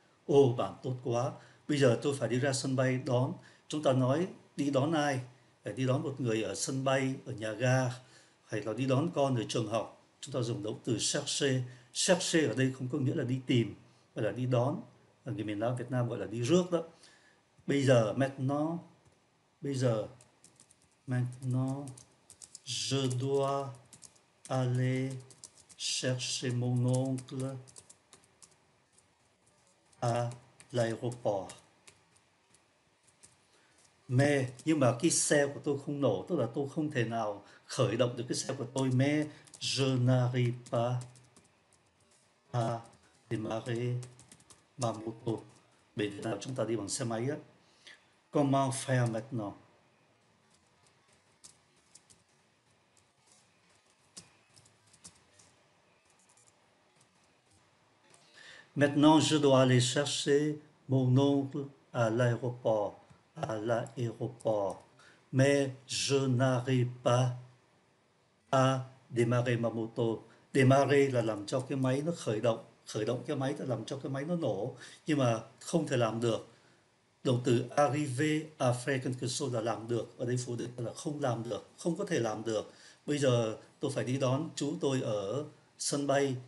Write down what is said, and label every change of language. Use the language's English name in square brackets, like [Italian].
[Vietnamese] Ồ, bạn tốt quá, bây giờ tôi phải đi ra sân bay đón. Chúng ta nói đi đón ai? Phải đi đón một người ở sân bay, ở nhà ga, hay là đi đón con ở trường học. Chúng ta dùng động từ chercher. Chercher ở đây không có nghĩa là đi tìm, mà là đi đón. Ở người miền Nam Việt Nam gọi là đi rước đó. Bây giờ, [French] maintenant, bây giờ, maintenant, je dois aller chercher mon oncle à l'aéroport. [Vietnamese] mê, nhưng mà cái xe của tôi không nổ, tức là tôi không thể nào khởi động được cái xe của tôi. [French] Mais je n'arrive pas à, démarrer ma moto. [Vietnamese] Bây giờ nào chúng ta đi bằng xe máy á. [French] Comment faire maintenant? Maintenant, je dois aller chercher mon oncle à l'aéroport. À l'aéroport. Mais je n'arrive pas à démarrer ma moto. [Vietnamese] Démarrer là làm cho cái máy nó khởi động. Khởi động cái máy là làm cho cái máy nó nổ. Nhưng mà không thể làm được. Động từ [French] arriver à faire quelque chose [Vietnamese] là làm được. Ở đây phủ định là không làm được. Không có thể làm được. Bây giờ tôi phải đi đón chú tôi ở sân bay.